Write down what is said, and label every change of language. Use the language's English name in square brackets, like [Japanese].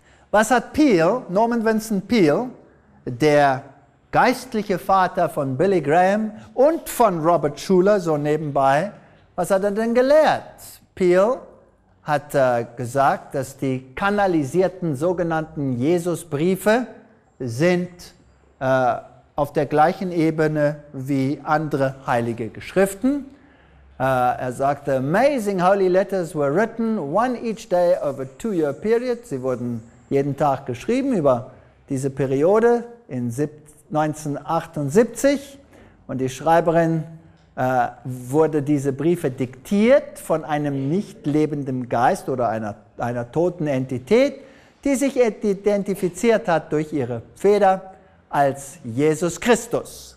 [German] Was hat Peale, Norman Vincent Peale, der geistliche Vater von Billy Graham und von Robert Schuller, so nebenbei, was hat er denn gelehrt? Peale hat gesagt, dass die kanalisierten sogenannten Jesusbriefe sind auf der gleichen Ebene wie andere heilige Geschriften. [English] Er sagte, amazing holy letters were written, one each day of a two-year period. [German] Sie wurden jeden Tag geschrieben über diese Periode in 1978. Und die Schreiberin wurde diese Briefe diktiert von einem nicht lebenden Geist oder einer toten Entität, die sich identifiziert hat durch ihre Feder als Jesus Christus.